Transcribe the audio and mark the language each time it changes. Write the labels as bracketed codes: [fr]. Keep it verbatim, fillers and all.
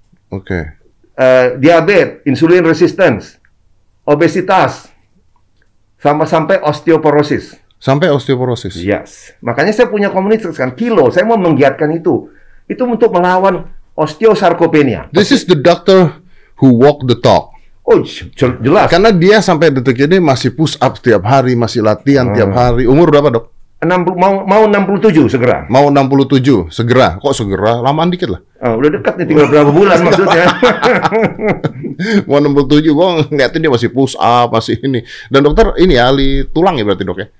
[id] Oke. Okay. Uh, diabetes, insulin resistance, obesitas. Sama sampai osteoporosis. Sampai osteoporosis. [en] Yes. [id] Makanya saya punya komunitas kan Kilo. Saya mau menggiatkan itu. Itu untuk melawan osteosarkopenia. [en] This is the doctor who walk the talk. [id] Oh, jelas. Karena dia sampai detik ini masih push up tiap hari, masih latihan hmm. tiap hari. Umur berapa, Dok? enam puluh mau mau enam puluh tujuh segera. Mau enam puluh tujuh segera. Kok segera? Lamaan dikit lah. Oh, udah dekat nih, tinggal berapa bulan maksudnya. Mau enam puluh tujuh, gue ngeliatin dia masih push up, masih ini. Dan dokter ini ahli tulang ya berarti dok ya?